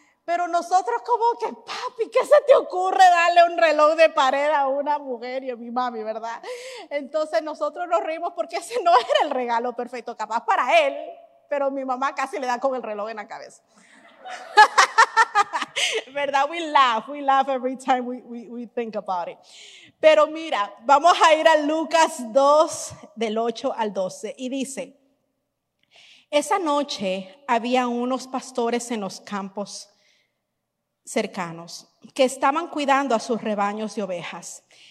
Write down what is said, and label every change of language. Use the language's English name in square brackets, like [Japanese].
[Spanish] Pero nosotros como que, papi, ¿qué se te ocurre darle un reloj de pared a una mujer y a mi mami, verdad? Entonces nosotros nos reímos porque ese no era el regalo perfecto, capaz para él, pero mi mamá casi le da con el reloj en la cabeza. ¿Verdad? [English] We laugh every time we think about it. [Spanish] Pero mira, vamos a ir a Lucas 2 del 8 al 12 y dice: esa noche había unos pastores en los campos cercanos que estaban cuidando a sus rebaños de ovejas.